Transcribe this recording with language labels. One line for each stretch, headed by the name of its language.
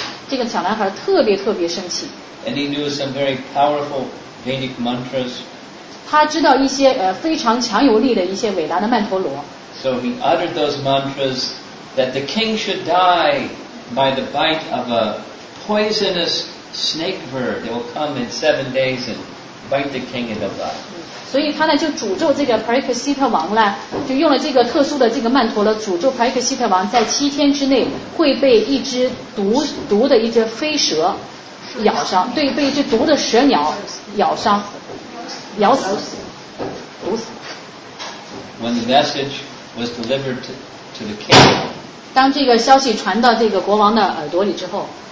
Chinese: 这个小男孩特别特别生气。
English: And he knew some very powerful Vedic mantras.
Chinese: 他知道一些非常强有力的一些伟大的曼陀罗。
English: So he uttered those mantras that the king should die by the bite of a poisonous snake bird that will come in 7 days and bite the king in the butt.
Chinese: 所以他呢就诅咒这个 Pariksit 王呢，就用了这个特殊的这个曼陀罗诅咒 Pariksit 王在七天之内会被一只毒的一只飞蛇咬伤，对，被一只毒的蛇鸟咬伤，咬死，毒死。
English: When the message was delivered to the king.
Chinese: 当这个消息传到这个国王的耳朵里之后，